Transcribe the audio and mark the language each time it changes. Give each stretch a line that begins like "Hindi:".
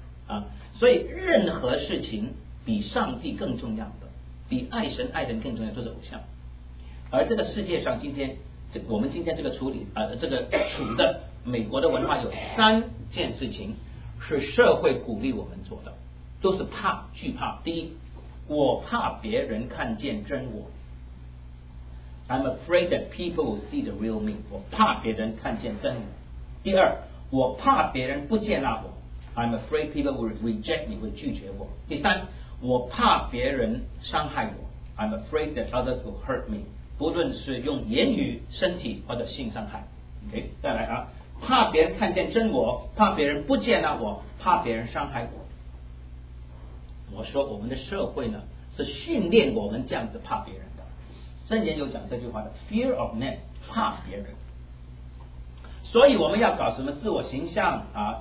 Chinese: 啊，所以任何事情比上帝更重要的，比爱神爱人更重要，都是偶像。而这个世界上今天，我们今天这个处理这个处的美国的文化有三件事情是社会鼓励我们做的，都是怕惧怕。第一，我怕别人看见真我。
English: I'm afraid that people will see the real me.
Chinese: 我怕别人看见真我。第二，我怕别人不接纳我。
English: I'm afraid people will reject me,
Chinese: 会拒绝我。第三，我怕别人伤害我。
English: I'm afraid that others will hurt me.
Chinese: 不论是用言语、身体或者性伤害。OK, 再来啊，怕别人看见真我，怕别人不接纳我，怕别人伤害我。我说我们的社会呢，是训练我们这样子怕别人。圣言有讲这句话的 ，
English: fear of man，
Chinese: 怕别人。所以我们要搞什么自我形象啊？